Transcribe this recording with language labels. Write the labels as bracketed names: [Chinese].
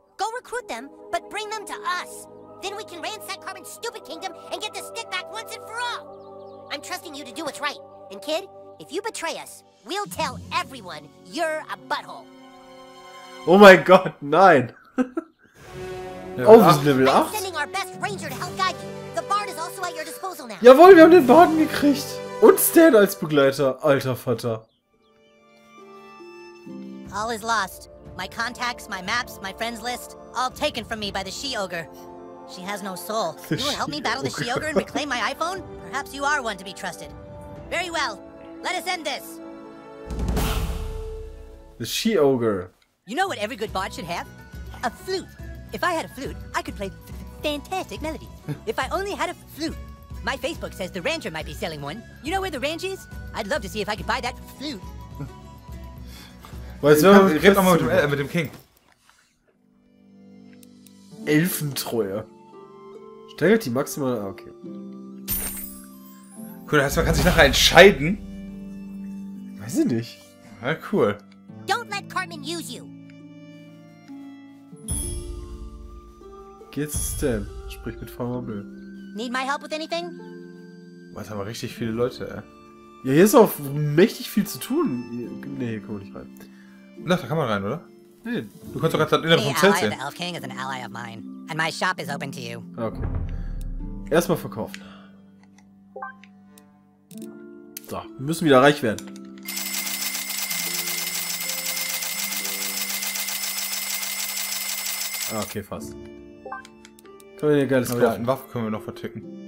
[English] Go recruit them, but bring them to us. Then we can ransack Cartman's stupid kingdom and get the stick back once and for all. I'm trusting you to do what's right. And kid, if you betray us, we'll tell everyone you're a butthole. Oh my god, [German] nein. Oh, was ist Level 8? [English] I'm sending our best ranger to help guide you. The bard is also at your disposal now. [German] Jawohl, wir haben den Baden gekriegt. Und Stan als Begleiter, alter Vater. [English] All is lost. My contacts, my maps, my friends list, all taken from me by the She-Ogre. She has no soul. You will help me battle the She-Ogre and reclaim my iPhone? Perhaps you are one to be trusted. Very well. Let us end this. The She-Ogre. You know what every good bard should have? A flute. If I had a flute, I could play fantastic melodies. If I only had a flute. My Facebook says the Ranger might be selling one. You know where the Ranch is? I'd love to see if I could buy that flute. [German] Weißt du, ich red nochmal mit dem King. Elfentreue. Steigert die maximal. Ah, okay. Cool, das heißt, man kann sich nachher entscheiden. Weiß ich nicht. Ja, cool. [English] Don't let Cartman use you. [German] Geht's denn? Sprich mit Frau Mobile. [English] Need my help with anything? [German] Was haben wir richtig viele Leute, ey? Ja, hier ist auch mächtig viel zu tun. Nee, hier kommen wir nicht rein. Na, da kann man rein, oder? Nee. Du kannst doch gerade innerhalb vom Zelt sehen. [English] The Elf King is an ally of mine, and my shop is open to you. [German] Okay. Erstmal verkaufen. So, wir müssen wieder reich werden. Okay, fast. Können wir hier geiles kaufen? Eine Waffe können wir noch verticken.